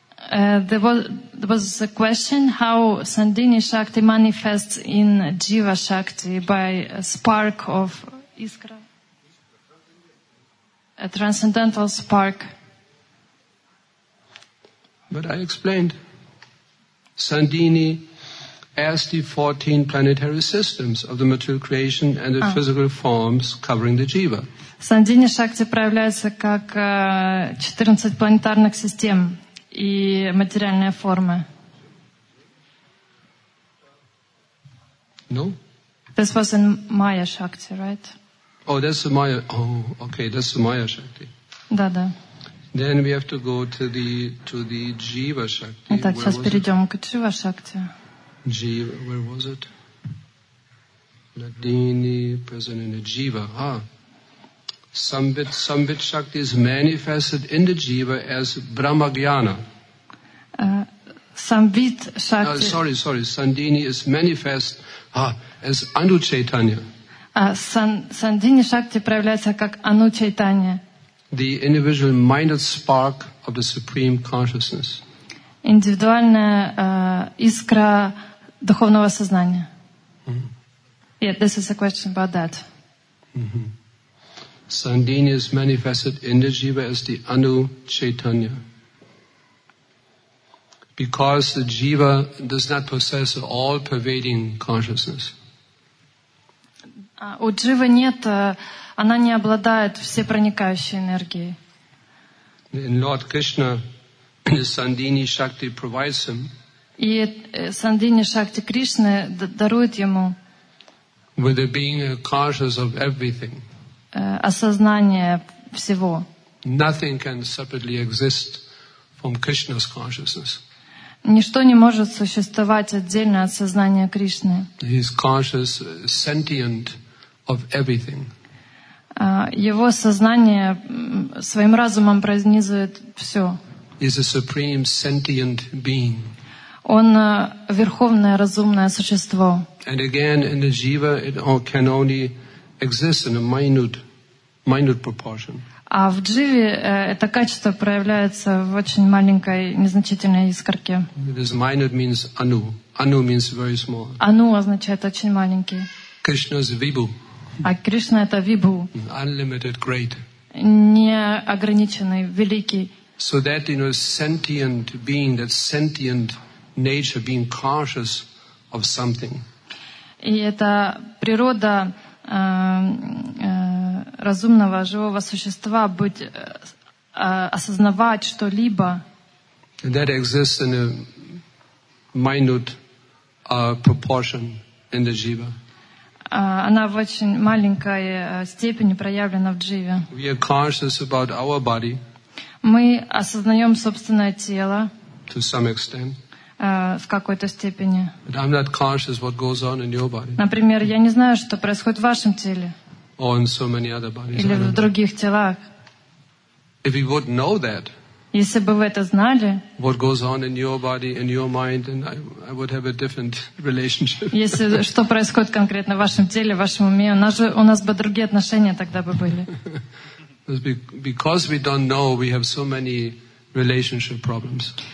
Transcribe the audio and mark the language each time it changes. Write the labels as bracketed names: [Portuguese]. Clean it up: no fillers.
[English] There was a question how Sandini Shakti manifests in Jiva Shakti by a spark of iskra, a transcendental spark. But I explained. Sandini as the 14 planetary systems of the material creation and the physical forms covering the jiva. [Russian] Сандини Шакти проявляется как 14 планетарных систем и материальные формы. [English] No? This was in Maya Shakti, right? Oh, that's the Maya. Oh, okay, that's the Maya Shakti. [Russian] Да, да. [English] Then we have to go to the Jiva Shakti. [Russian] Итак, [English] where [Russian] сейчас перейдем к Jiva Shakti. [English] Jiva, where was it? Ladini, present in the Jiva. Ah. Samvit Shakti is manifested in the Jiva as Brahma Jnana. Samvit Shakti. Sorry. Sandini is manifest as Anu Chaitanya. [Russian] Sandini Shakti проявляется как Anu Chaitanya. [English] The individual minded spark of the Supreme Consciousness. [Russian] Индивидуальная искра духовного сознания. [English] Yeah, this is a question about that. Sandini is manifested in the jiva as the Anu Chaitanya. Because the jiva does not possess all pervading consciousness. [Russian] У дживы нет, она не обладает всепроникающей энергией. [English] In Lord Krishna, the Sandini Shakti provides him. [Russian] И Сандини Шакти Кришны дарует ему. [English] With the being conscious of everything. [Russian] Осознание всего. [English] Nothing can separately exist from Krishna's consciousness. [Russian] Ничто не может существовать отдельно от сознания Кришны. [English] He is conscious, sentient. Of everything. [Russian] Его сознание своим разумом пронизывает все. [English] Is a supreme sentient being. [Russian] Он верховное разумное существо. [English] And again, in the jiva, it can only exist in a minute proportion. [Russian] А в дживе это качество проявляется в очень маленькой, незначительной искорке. [English] This minute means anu. Anu means very small. [Russian] Anu означает очень маленький. [English] Krishna's vibhu. [Russian] А Кришна это вибху. [English] Unlimited great. [Russian] Неограниченный, великий. [English] So that, you know, sentient being, that sentient nature being conscious of something. [Russian] И это природа разумного живого существа быть осознавать что-либо. [English] That exists in a minute proportion in the jiva. [Russian] Она в очень маленькой степени проявлена в дживе. [English] We are conscious about our body. [Russian] Мы осознаем собственное тело. [English] To some extent. [Russian] В какой-то степени. [English] But I'm not conscious what goes on in your body. [Russian] Например, я не знаю, что происходит в вашем теле. [English] Or in so many other bodies. [Russian] Или в других телах. [English] If you would know that. [Russian] Если бы вы это знали, [English] what goes on in your body, in your mind, and I would have a different relationship. [Russian] Если что происходит конкретно в вашем теле, в вашем уме, у нас бы другие отношения тогда бы были. [English] Because we don't know, we have so many relationship problems.